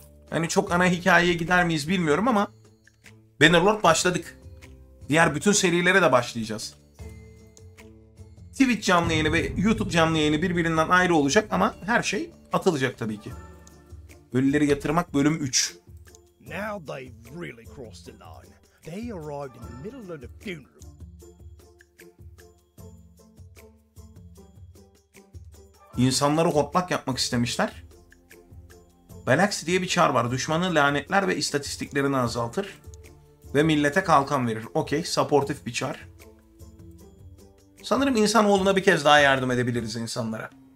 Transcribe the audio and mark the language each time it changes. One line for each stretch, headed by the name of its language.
Turkish: Hani çok ana hikayeye gider miyiz bilmiyorum ama Bannerlord başladık. Diğer bütün serilere de başlayacağız. Twitch canlı yayını ve YouTube canlı yayını birbirinden ayrı olacak ama her şey atılacak tabii ki. Ölüleri yatırmak bölüm 3.
English: Now they really crossed the line. They arrived in the middle of the funeral.
Turkish: İnsanları hortlak yapmak istemişler. Balax diye bir çar var. Düşmanı lanetler ve istatistiklerini azaltır. Ve millete kalkan verir. Okey, supportif bir çar. Sanırım insanoğluna bir kez daha yardım edebiliriz insanlara.